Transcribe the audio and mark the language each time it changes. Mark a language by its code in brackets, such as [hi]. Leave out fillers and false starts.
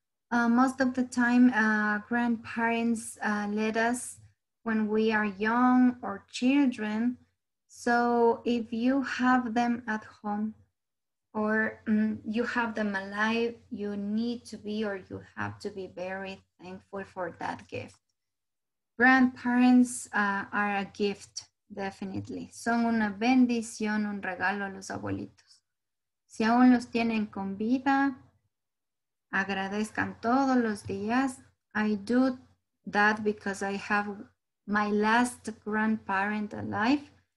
[en] Most of the time, grandparents let us when we are young or children. So if you have them at home or you have them alive, you need to be or you have to be very thankful for that gift. Grandparents are a gift, definitely. [es] Son una bendición, un regalo a los abuelitos. Si aún los tienen con vida, agradezcan todos los días. [en] I do that because I have my last grandparent alive.